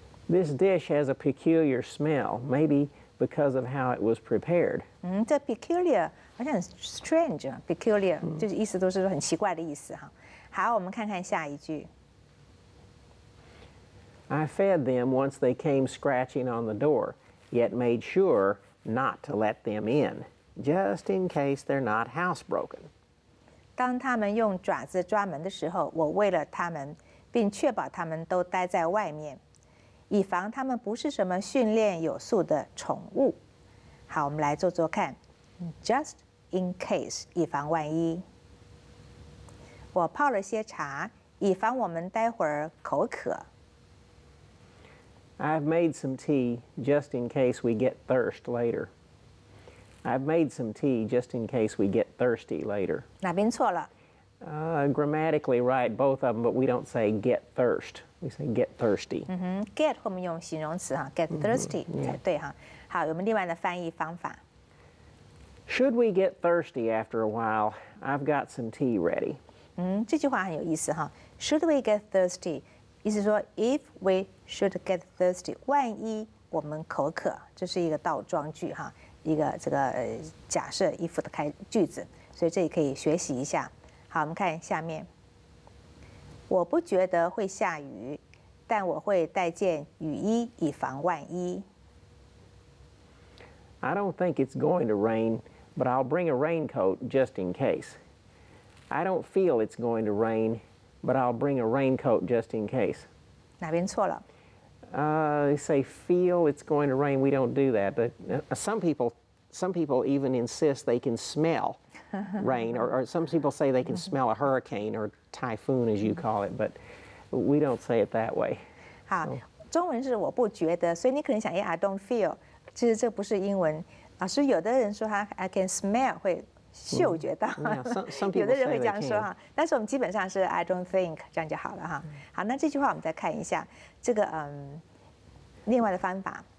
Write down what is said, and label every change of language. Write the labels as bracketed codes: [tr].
[en] This dish has a peculiar smell, maybe because of how it was prepared. [zh] 这 peculiar 好像很 strange， peculiar 就是意思都是很奇怪的意思哈。好，我们看看下一句。 [en] I fed them once they came scratching on the door, yet made sure not to let them in, just in case they're not housebroken. [zh] 当他们用爪子抓门的时候，我喂了他们，并确保他们都待在外面，以防他们不是什么训练有素的宠物。好，我们来做做看。 [en] Just in case， [zh] 以防万一。我泡了些茶，以防我们待会儿口渴。 [en] I've made some tea just in case we get thirst later. I've made some tea just in case we get thirsty later. [zh] 哪边错了？ [en] Grammatically right, both of them, but we don't say get thirst. We say get thirsty. [zh] Get 后面用形容词哈 ， [en] get thirsty [zh] 才对哈。好，有没有另外的翻译方法 [en] ？Should we get thirsty after a while? I've got some tea ready. [zh] 这句话很有意思哈。 [en] Should we get thirsty? [zh] 意思说 ， [en] if we should get thirsty， [zh] 万一我们口渴，这是一个倒装句哈，一个这个假设 if 的开句子，所以这里可以学习一下。好，我们看下面。我不觉得会下雨，但我会带件雨衣以防万一。 [en] I don't think it's going to rain, but I'll bring a raincoat just in case. I don't feel it's going to rain. But I'll bring a raincoat just in case. [zh] 哪边错了？ [en] They say feel it's going to rain. We don't do that. But some people even insist they can smell rain, or some people say they can smell a hurricane or typhoon, as you call it. But we don't say it that way. [zh] 好，中文是我不觉得，所以你可能想， [en] I don't feel. [zh] 其实这不是英文。老师，有的人说他 [en] I can smell [zh] 会。嗅觉到 [en] some [zh] 有的人会这样说哈，但是我们基本上是 [en] I don't think [zh] 这样就好了哈。好，那这句话我们再看一下这个另外的方法。